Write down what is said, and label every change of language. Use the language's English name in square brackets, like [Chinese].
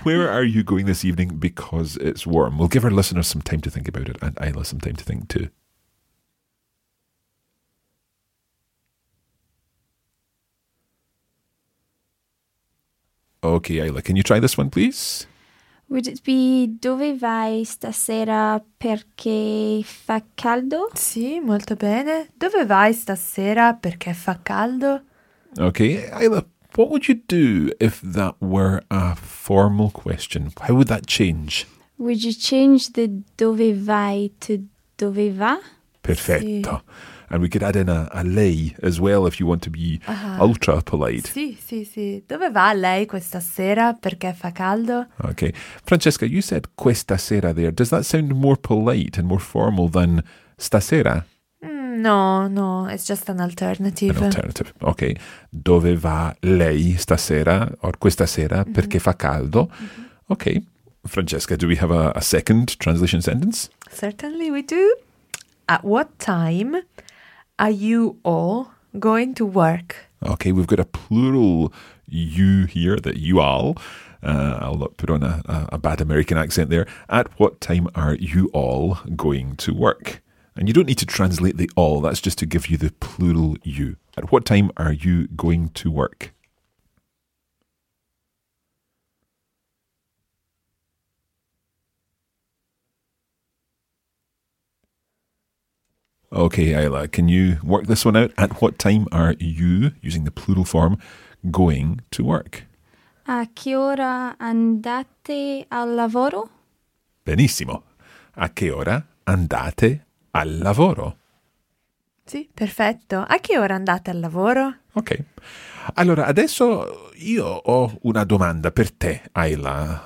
[English] Where are you going this evening because it's warm? We'll give our listeners some time to think about it and Ayla some time to think too. Okay, Ayla, can you try this one, please? Would it be [Italian] dove vai stasera perché fa caldo? Sì, molto bene. Dove vai stasera perché fa caldo? [English] Okay, Ayla, what would you do if that were a formal question? How would that change? Would you change the [Italian] dove vai [English] to [Italian] dove va? Perfetto. Sì. [English] And we could add in a lei as well if you want to be ultra polite. [Italian] Sì, sì, sì. Dove va lei questa sera perché fa caldo? [English] Okay. Francesca, you said [Italian] questa sera [English] there. Does that sound more polite and more formal than stasera? No, no. It's just an alternative. An alternative. Okay. [Italian] Dove va lei stasera or questa sera perché fa caldo? [English] Mm-hmm. Okay. Francesca, do we have a second translation sentence? Certainly we do. At what time... Are you all going to work? Okay, we've got a plural you here, that you all. I'll put on a bad American accent there. At what time are you all going to work? And you don't need to translate the all. That's just to give you the plural you. At what time are you going to work? Okay, Ayla, can you work this one out? At what time are you, using the plural form, going to work? [Italian] A che ora andate al lavoro? Benissimo. A che ora andate al lavoro. Sì, perfetto. A che ora andate al lavoro? Ok. Allora, adesso io ho una domanda per te, Ayla.